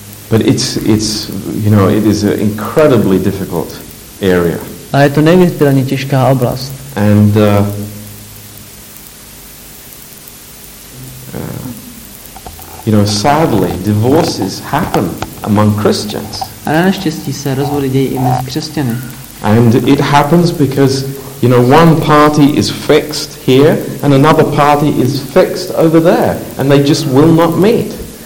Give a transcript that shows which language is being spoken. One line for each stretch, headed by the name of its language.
English: But it's you know, it is an incredibly difficult area.
Czech: A je to neuvěřitelně těžká oblast.
English: And you know, sadly, divorces happen among Christians.
Czech: A na naštěstí se rozvody dějí i mezi křesťany.
English: And it happens because, you know, one party is fixed here and another party is fixed over there and they just will not meet.